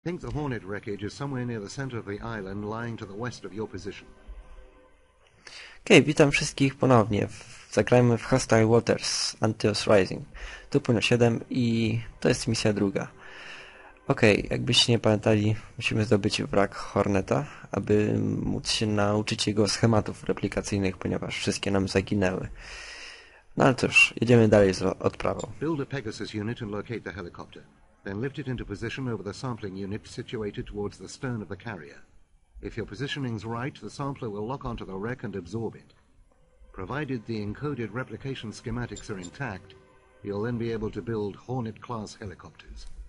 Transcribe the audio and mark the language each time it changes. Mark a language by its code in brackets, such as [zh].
[en] Think the Hornet wreckage is somewhere near the center of the island, lying to the west of your position. [pl] Okej, witam wszystkich ponownie. Zagrajmy w Hostile Waters Antios Rising. Tu punio 7 i to jest misja druga. Okej, jakbyście nie pamiętali, musimy zdobyć wrak Horneta, aby móc się nauczyć jego schematów replikacyjnych, ponieważ wszystkie nam zaginęły. No ale cóż, jedziemy dalej z odprawą. [en] Build a Pegasus unit and locate the helicopter. Then lift it into position over the sampling unit situated towards the stern of the carrier. If your positioning's right, the sampler will lock onto the wreck and absorb it. Provided the encoded replication schematics are intact, you'll then be able to build Hornet-class helicopters.